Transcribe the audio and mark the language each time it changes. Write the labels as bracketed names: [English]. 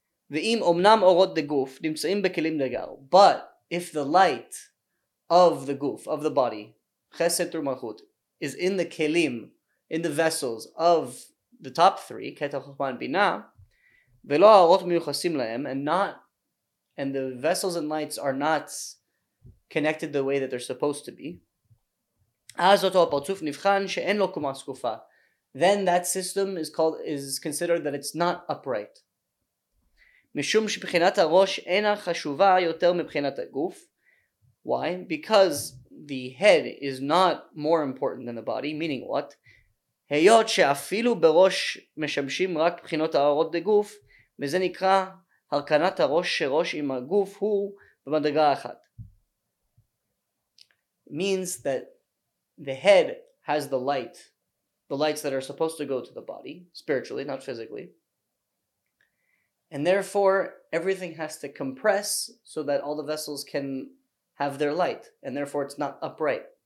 [Hebrew] Ve'im omnam orot deguf nimtzaim bekelim degar. [English] But if the light of the guf, of the body, chesed through malchut, is in the kelim, in the vessels of the top three, Keter, Chokhmah, and Bina, [Hebrew] ולא האורות מיוחסים להם, [English] and the vessels and lights are not connected the way that they're supposed to be, [Hebrew] אז אותו הפרצוף נבחן שאין לו קומה זקופה. [English] Then that system is considered that it's not upright. [Hebrew] משום שבחינת הראש אינה חשובה יותר מבחינת הגוף. [English] Why? Because the head is not more important than the body, meaning what? [Hebrew] היות שאפילו בראש משמשים רק בחינות האורות דגוף, וזה נקרא הרכנת הראש שראש עם הגוף הוא במדרגה אחת. [English] Means that the head has the light, the lights that are supposed to go to the body, spiritually, not physically. And therefore, everything has to compress so that all the vessels can have their light, and therefore it's not upright.